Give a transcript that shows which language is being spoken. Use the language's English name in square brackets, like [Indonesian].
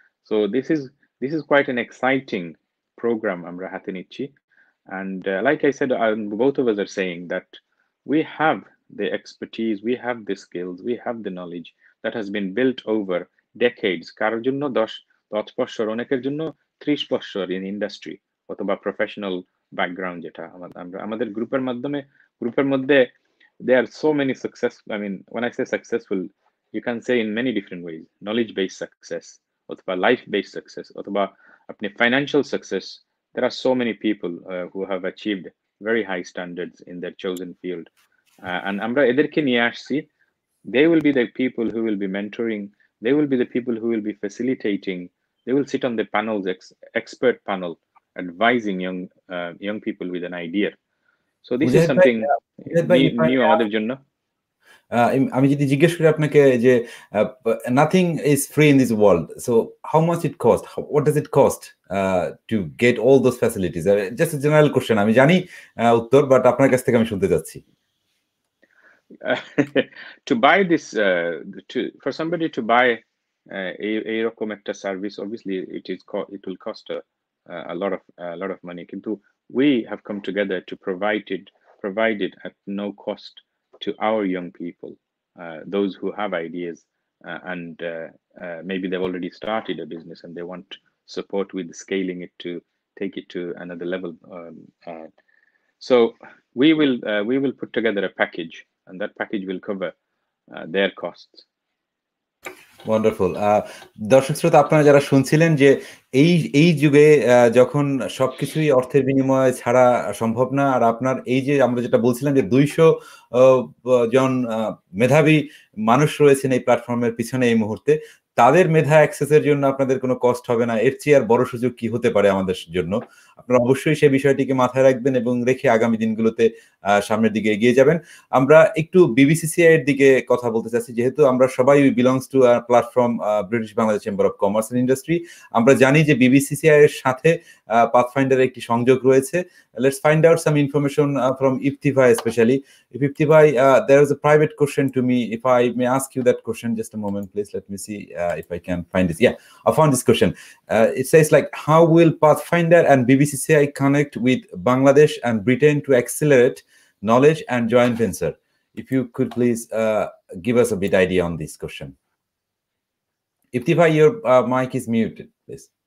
[English] So this is quite an exciting program [Bangla] amra hate nichi, [English] and like I said, both of us are saying that we have the expertise, we have the skills, we have the knowledge that has been built over decades. [Bangla] Kar jonno 10 boshor, oneker jonno 30 বছর [English] in industry [Bangla] অথবা professional background যেটা আমাদের গ্রুপের মাধ্যমে, গ্রুপের মধ্যে [English] They are so many success, I mean one I say successful you can say in many different ways, knowledge-based success, or life-based success, or financial success. There are so many people who have achieved very high standards in their chosen field. And [Bangla] amra ederke niye ashi, [English] they will be the people who will be mentoring. They will be the people who will be facilitating. They will sit on the panels, expert panel, advising young young people with an idea. So this is something new [Bangla] amader jonno. আমি যদি জিজ্ঞেস করি আপনাকে যে [English] nothing is free in this world, so how much it cost, what does it cost to get all those facilities, just a general question, [Bangla] আমি জানি উত্তর, [English] but [Bangla] আপনার কাছ থেকে আমি শুনতে চাচ্ছি। [English] to buy this, to for somebody to buy [Bangla] এই রকম একটা service, [English] obviously it is it will cost a lot of money, [Bangla] কিন্তু [English] We have come together to provide it at no cost to our young people, those who have ideas, and maybe they've already started a business and they want support with scaling it to take it to another level. So we will put together a package, and that package will cover their costs. Wonderful. [Bangla] দর্শক শ্রোতা, আপনারা যারা শুনছিলেন যে এই এই যুগে যখন সবকিছুই অর্থের বিনিময় ছাড়া সম্ভব না, আর আপনার এই যে আমরা যেটা বলছিলাম যে 200 জন মেধাবী মানুষ রয়েছেন এই প্ল্যাটফর্মের পিছনে এই মুহূর্তে, তাদের মেধা অ্যাক্সেসের জন্য আপনাদের কোনো কষ্ট হবে না, এর চেয়ে আর বড় সুযোগ কি হতে পারে আমাদের জন্য? আপনারা অবশ্যই সেই বিষয়টিকে মাথায় রাখবেন এবং রেখে আগামী দিনগুলোতে সামনের দিকে এগিয়ে যাবেন। আমরা একটু বিবিসিসিআই এর দিকে কথা বলতে চাচ্ছি, যেহেতু আমরা সবাই [English] belongs to our platform [Bangla] British Bangladesh chamber of commerce and industry, আমরা জানি যে বিবিসিসিআই এর সাথে পাথফাইন্ডার একটি সংযোগ রয়েছে। [English] Let's find out some information from Ifti bhai, specially Ifti bhai, there is a private question to me, if I may ask you that question, just a moment please, let me see if I can find this. Yeah, I found this question. It says, like, how will Pathfinder and BBCCI connect with Bangladesh and Britain to accelerate knowledge and joint venture? If you could please give us a bit idea on this question. Ifty bhai, your mic is muted, please.